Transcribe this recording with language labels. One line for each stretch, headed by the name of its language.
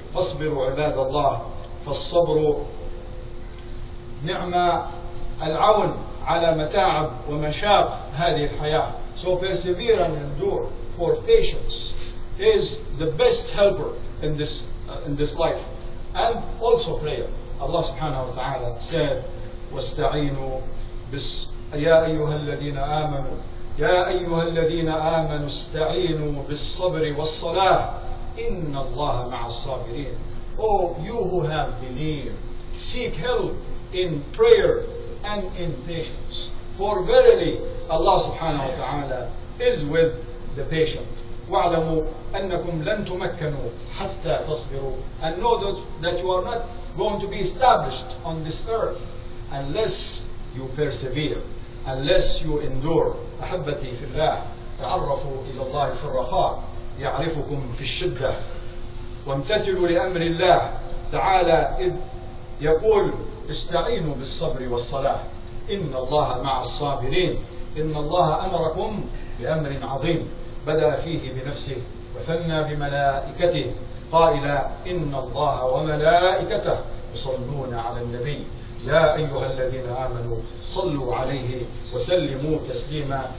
Arabic: فَاصْبِرُوا عِبَادَ اللَّهِ فَالصَّبْرُ نِعْمَةُ الْعَوْنِ عَلَى مَتَاعَبْ وَمَشَاقْ هَذِهِ الْحَيَاةِ.
English: So persevere and endure, for patience is the best helper in this life. And also prayer. Allah subhanahu wa ta'ala said,
Arabic: وَاسْتَعِينُوا يَا أَيُّهَا الَّذِينَ آمَنُوا يا أيها الذين آمنوا استعينوا بالصبر والصلاة إن الله مع الصابرين.
English: Oh, you who have believed, seek help in prayer and in patience. For verily, Allah subhanahu wa ta'ala is with the patient.
Arabic: واعلموا أنكم لن تمكنوا حتى تصبروا.
English: And know that you are not going to be established on this earth unless you persevere, unless you endure.
Arabic: أحبتي في الله تعرفوا إلى الله في الرخاء يعرفكم في الشدة وامتثلوا لأمر الله تعالى إذ يقول استعينوا بالصبر والصلاة إن الله مع الصابرين إن الله أمركم بأمر عظيم بدأ فيه بنفسه وثنى بملائكته قائلا إن الله وملائكته يصلون على النبي يا أيها الذين آمنوا صلوا عليه وسلموا تسليما.